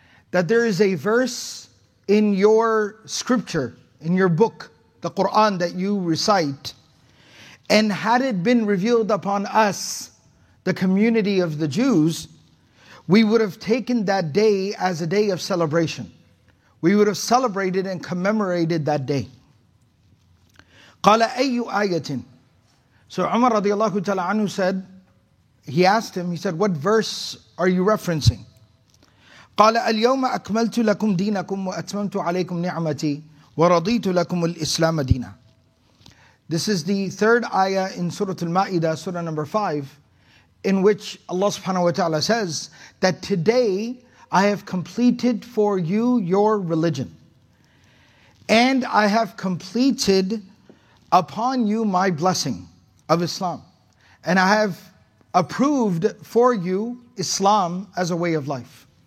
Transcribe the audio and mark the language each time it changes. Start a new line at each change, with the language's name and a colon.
English: That there is a verse in your scripture, in your book, the Quran that you recite, and had it been revealed upon us, the community of the Jews, we would have taken that day as a day of celebration. We would have celebrated and commemorated that day.
Arabic: قَالَ أَيُّ آيَةٍ.
English: So Umar radiallahu ta'ala anhu said, he asked him, he said, what verse are you referencing?
Arabic: قال اليوم أكملت لكم دينكم وأتممت عليكم نعمتي ورضيت لكم الإسلام دينا.
English: This is the third ayah in Surah Al-Ma'idah, Surah number 5, in which Allah subhanahu wa ta'ala says that today I have completed for you your religion and I have completed upon you my blessing of Islam and I have approved for you Islam as a way of life.